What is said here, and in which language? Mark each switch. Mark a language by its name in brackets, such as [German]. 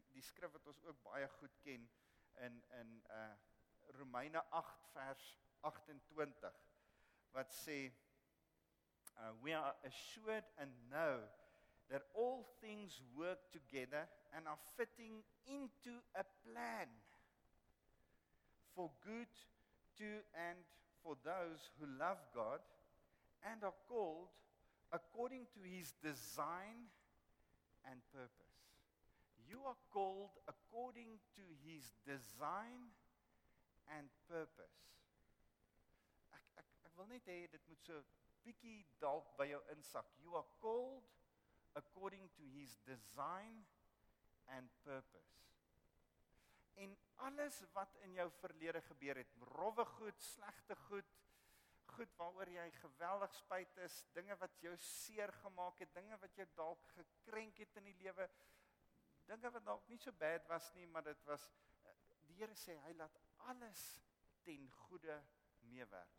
[Afrikaans] Die skrif wat ons ook baie goed ken in Romeine 8 vers 28 wat sê [English] we are assured and know that all things work together and are fitting into a plan for good to and for those who love God and are called according to His design and purpose. You are called according to His design and purpose. [Afrikaans] Ek wil net hê dit moet so bietjie dalk by jou insak. [English] You are called according to His design and purpose. [Afrikaans] En alles wat in jou verlede gebeur het, rowwe goed, slegte goed, goed waaroor jy geweldig spyt is, dinge wat jou seer gemaak het, dinge wat jou dalk gekrenk het in die lewe, dinge wat dalk nie so bad was nie, maar dit was, die Here sê, hy laat alles ten goede meewerk.